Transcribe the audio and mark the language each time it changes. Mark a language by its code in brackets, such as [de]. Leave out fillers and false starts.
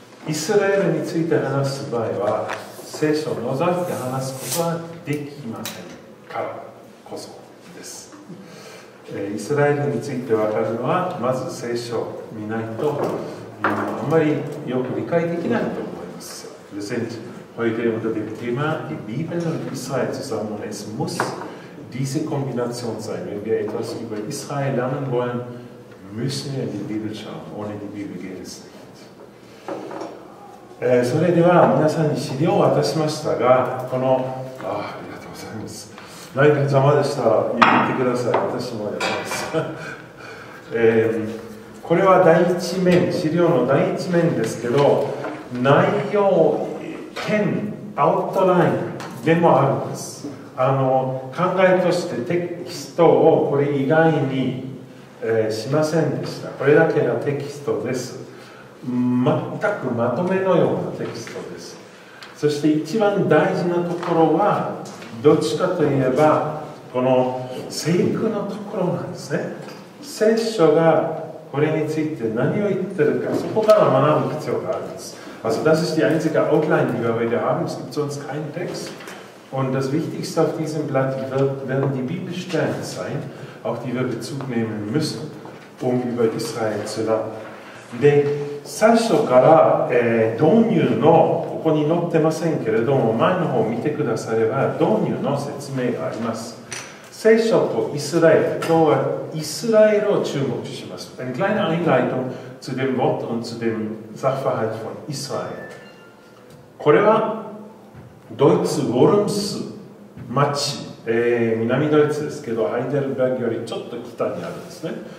[ja] イスラエルについて話す場合は聖書を除いて話すことはできませんからこそです。イスラエルについて分かるのはまず聖書を見ないとあんまりよく理解できないと思います。 [de] Wir sind heute unter dem Thema die Bibel und Israel zusammen, und es muss diese Kombination sein. Wenn wir etwas über Israel lernen wollen, müssen wir in die Bibel schauen. Ohne die Bibel geht es nicht. [ja] それでは皆さんに資料を渡しましたが、このありがとうございます。何か邪魔でしたら言ってください。私もやります。これは第一面、資料の第一面ですけど、内容、点、アウトラインでもあるんです。考えとしてテキストをこれ以外に、しませんでした。これだけがテキストです。全くまとめのようなテキストです。そして一番大事なところはどっちかといえばこの聖句のところなんですね。聖書がこれについて何を言ってるか、そこから学ぶ必要があるんです。 [de] Also das ist die einzige Outline, die wir heute haben. Es gibt sonst keinen Text. Und das Wichtigste auf diesem Blatt werden die Bibelstellen sein, auf die wir Bezug nehmen müssen, um über Israel zu lernen. [ja] で、最初から、導入の、ここに載ってませんけれども、前の方を見てくだされば、導入の説明があります。聖書とイスラエル、今日はイスラエルを注目します。 [de] Eine kleine Einleitung. Zu dem Wort und zu dem Sachverhalt von Israel. [ja] これはドイツ・ウォルムス町、南ドイツですけど、ハイデルベルグよりちょっと北にあるんですね。